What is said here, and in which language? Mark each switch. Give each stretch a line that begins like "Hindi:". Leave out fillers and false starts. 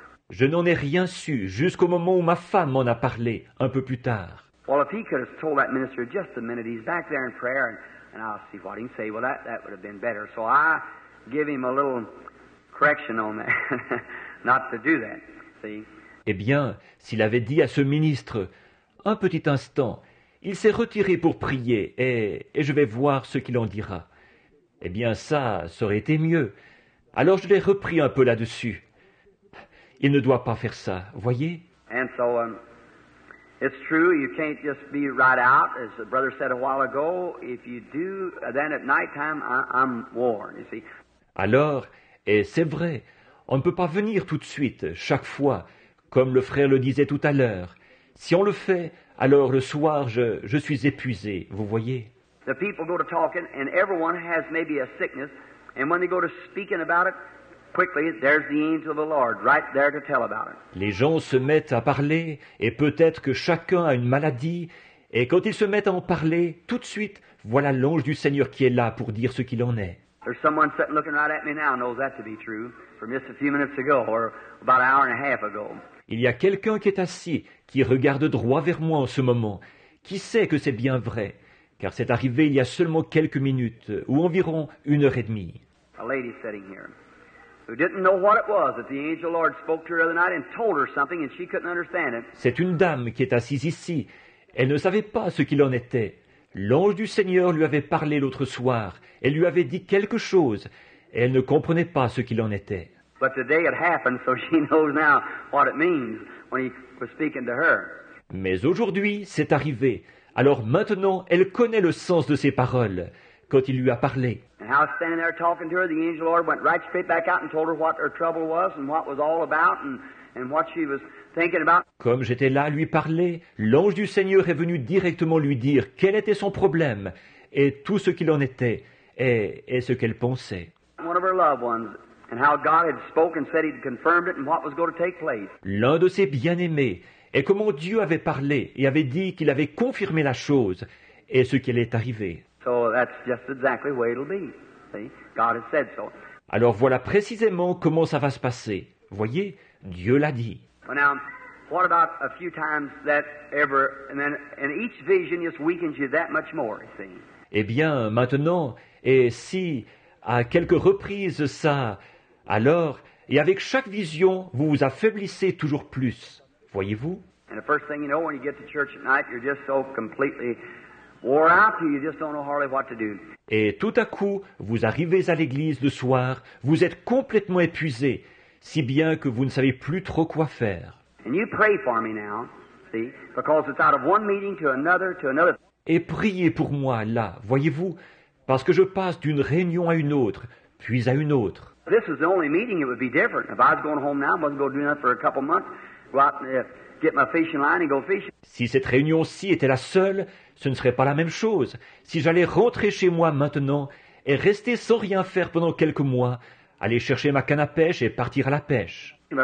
French: Je n'en ai rien su jusqu'au moment où ma femme m'en a parlé, un peu plus tard.
English: Well, if he could have told that minister just a minute, he's back there in prayer, and I'll see what he can say. Well, that would have been better. So I give him a little correction on that, not to do that, see?
French: Eh bien, s'il avait dit à ce ministre, un petit instant, il s'est retiré pour prier, et je vais voir ce qu'il en dira. Eh bien, ça aurait été mieux. Alors je l'ai repris un peu là-dessus. Il ne doit pas faire ça, voyez?
English: And so, it's true, you can't just be right out, as the brother said a while ago. If you do, then at night time, I'm warned, you see.
French: Alors, et c'est vrai, on ne peut pas venir tout de suite, chaque fois, comme le frère le disait tout à l'heure. Si on le fait, alors le soir, je suis épuisé, vous voyez.
English: The people go to talking, and everyone has maybe a sickness, and when they go to speaking about it, quickly, there's the angel of the Lord right there to tell about it.
French: Les gens se mettent à parler, et peut-être que chacun a une maladie, et quand ils se mettent à en parler, tout de suite, voilà l'ange du Seigneur qui est là pour dire ce qu'il en est.
English: There's someone sitting looking right at me now knows that to be true from just a few minutes ago or about an hour and a half ago.
French: Il y a quelqu'un qui est assis, qui regarde droit vers moi en ce moment. Qui sait que c'est bien vrai? Car c'est arrivé il y a seulement quelques minutes, ou environ une heure et demie.
English: A lady sitting here. Who didn't know what it was that the angel of the Lord spoke to her the other night and told her something and she couldn't understand it.
French: C'est une dame qui est assise ici. Elle ne savait pas ce qu'il en était. L'ange du Seigneur lui avait parlé l'autre soir. Elle lui avait dit quelque chose. Elle ne comprenait pas ce qu'il en était.
English: But today it happened, so she knows now what it means when he was speaking to her.
French: Mais aujourd'hui, c'est arrivé. Alors maintenant, elle connaît le sens de ses paroles. Quand il lui a parlé.
English: And I was standing there talking to her, the angel Lord went right straight back out and told her what her trouble was and what was all about and what she was thinking about.
French: Comme j'étais là à lui parler, l'ange du Seigneur est venu directement lui dire quel était son problème et tout ce qu'il en était et ce qu'elle pensait.
English: One of her loved ones and how God had spoken, said he'd confirmed it and what was going to take place.
French: L'un de ses bien-aimés et comment Dieu avait parlé et avait dit qu'il avait confirmé la chose et ce qui allait arriver.
English: So that's just exactly where it'll be. See, God has said so.
French: Alors voilà précisément comment ça va se passer. Voyez, Dieu l'a dit.
English: Well, now, what about a few times that ever, and each vision just weakens you that much more. See.
French: Eh bien, maintenant, et si à quelques reprises ça, alors et avec chaque vision, vous vous affaiblissez toujours plus. Voyez-vous?
English: And the first thing you know, when you get to church at night, you're just so completely. Wore out, you just don't know hardly what to do.
French: Et tout à coup, vous arrivez à l'église le soir, vous êtes complètement épuisé, si bien que vous ne savez plus trop quoi faire.
English: And you pray for me now, see, because it's out of one meeting to another.
French: Et priez pour moi là, voyez-vous, parce que je passe d'une réunion à une autre, puis à une autre.
English: This is the only meeting it would be different. If I was going home now, I wasn't going to do nothing for a couple months. Go out and, get my fishing line and go fishing.
French: Si cette réunion-ci était la seule, ce ne serait pas la même chose. Si j'allais rentrer chez moi maintenant et rester sans rien faire pendant quelques mois, aller chercher ma canne à pêche et partir à la pêche.